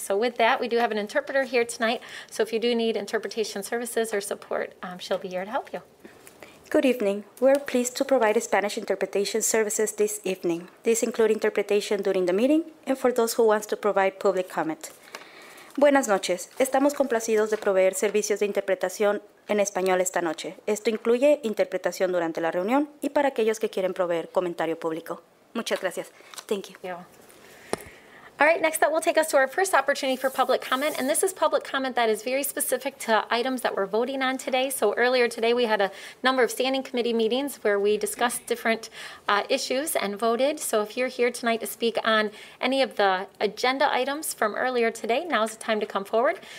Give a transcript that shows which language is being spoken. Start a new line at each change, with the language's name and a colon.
English: So with that, we do have an interpreter here tonight. So if you do need interpretation services or support, she'll be here to help you. Good evening. We're pleased to provide Spanish interpretation services this evening. These include interpretation during the meeting and for those who want to provide public comment.
Spanish: Buenas noches. Estamos complacidos de proveer servicios de interpretación en español esta noche. Esto incluye interpretación durante la reunión y para aquellos que quieren proveer comentario público. Muchas gracias.
English: Thank you. Yeah. All right, next up will take us to our first opportunity for public comment, and this is public comment that is very specific to items that we're voting on today. So earlier today we had a number of standing committee meetings where we discussed different issues and voted. So if you're here tonight to speak on any of the agenda items from earlier today, now's the time to come forward.